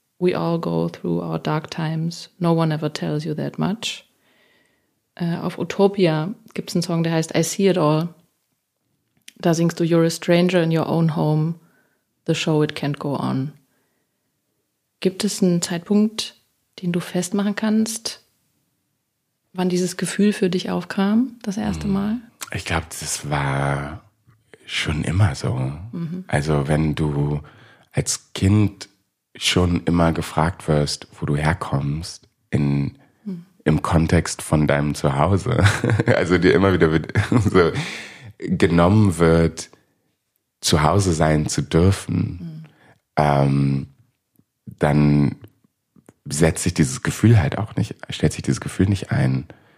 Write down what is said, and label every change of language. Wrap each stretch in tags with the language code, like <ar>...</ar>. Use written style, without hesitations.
<en>We all go through our dark times. No one ever tells you that much."</en> <de>Auf Utopia gibt's einen Song, der heißt "I see it all". Da singst du</de> <en>"You're a stranger in your own home. The show, it can't go on."</en> <de>Gibt es einen Zeitpunkt, den du festmachen kannst, wann dieses Gefühl für dich aufkam, das erste Mal? Ich glaube, das war schon immer so. Mhm. Also wenn du als Kind schon immer gefragt wirst, wo du herkommst, im Kontext von deinem Zuhause, also dir immer wieder so genommen wird, zu Hause sein zu dürfen, dann setzt sich dieses Gefühl halt auch nicht, stellt sich dieses Gefühl nicht ein.</de>